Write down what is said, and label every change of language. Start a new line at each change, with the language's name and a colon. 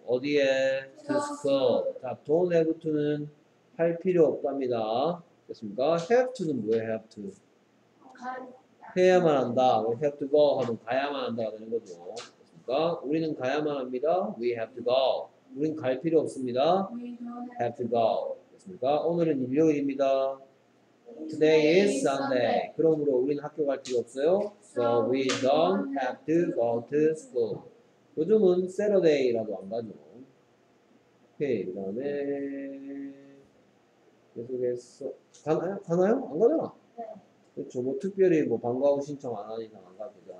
Korean: 어디에?
English: To school.
Korean: 자,
English: don't have to
Korean: 는 할 필요 없답니다. 됐습니까?
English: Have to
Korean: 는 뭐예요?
English: Have to.
Korean: 해야만 한다.
English: Have to go
Korean: 하면 가야만 한다가 되는 거죠. 됐습니까? 우리는 가야만 합니다.
English: We have to go.
Korean: 우린 갈 필요 없습니다.
English: We don't have to go.
Korean: 됐습니까? 오늘은 일요일입니다.
English: Today is Sunday.
Korean: 그러므로 우리는 학교 갈 필요 없어요.
English: So we don't have to go to school.
Korean: 요즘은 Saturday라도 안 가죠. 오케이, 그 다음에 계속해서 가나요? 안 가잖아. 그렇죠. 뭐 특별히 뭐 방과후 신청 안 하는 이상 안 가죠.